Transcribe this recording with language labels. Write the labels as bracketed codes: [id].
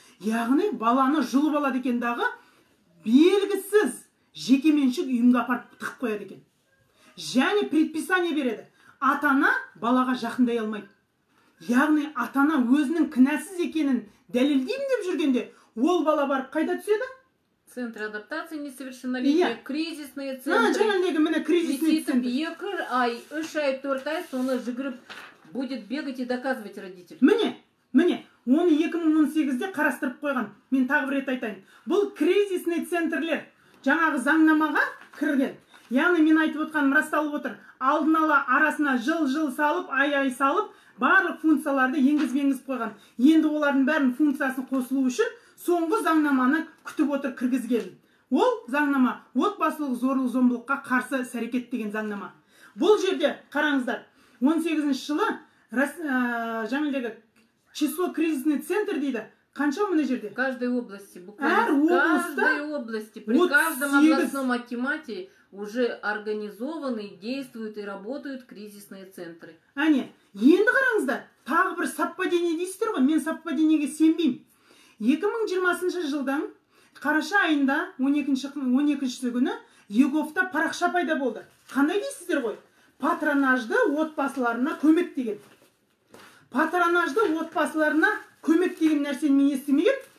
[kk] Яғни баланы жылып алады екен дағы белгісіз жекеменшік ұйымға апарып тығып қояды екен. Және предписание береді. Ата-ана балаға жақындай алмайды. Яғни ата-ана өзінің кінәсіз екенін дәлелдеймін деп жүргенде, ол бала барып қайда түседі? [ru] Центр адаптации несовершеннолетия, кризисные центры. [kk] Жаңалдегі міне кризисный центр. 2 ай, 3 ай, 4 ай соны жүгіріп [ru] будет бегать и доказывать родителям. [kk] Міне, оны 2018-де қарастырып қойған. Мен тағы бір рет айтайын. Бұл кризисный центрлер жаңағы заңнамаға кірген. Яғни мен айтып отқаным расталып отыр. Алдын ала арасына жыл-жыл салып, ай-ай салып, барлық функцияларды енгізбеңіз қойған. Енді олардың бәрін функциясын қосылу үшін соңғы заңнаманы күтіп отыр кіргізген. Ол заңнама отбасылық зорлық-зомбылыққа қарсы әрекет деген заңнама. Бұл жерде қараңыздар. 18-ші жылы жаңалдегі число кризисный центр дейді. Қанша мына жерде? [ru] Каждой области, буквально. Каждой области, при каждом областном акимате уже организованы, действуют и работают кризисные центры. [kk] Әне, енді қараңыздар. Тағы бір саппадение дейсіздер ғой, мен саппадениеге сенбеймін. 2020 жылдың қараша айында 12-ші күні ЕГОВ-та парақша пайда болды. Қандай дейсіздер ғой? Патронажды отбасыларына көмек деген. Патронажды отбасыларына көмек деген нәрсені мен естімеген.